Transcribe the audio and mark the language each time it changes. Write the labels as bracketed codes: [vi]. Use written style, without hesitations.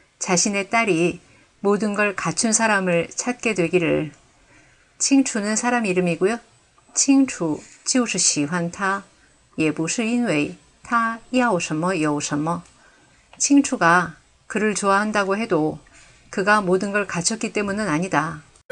[ko] 자신의 딸이 모든 걸 갖춘 사람을 찾게 되기를. 칭추는 사람 이름이고요. [zh] 칭추就是喜欢他，也不是因为他要什么有什么. [ko] 칭추가 그를 좋아한다고 해도 그가 모든 걸 갖췄기 때문은 아니다.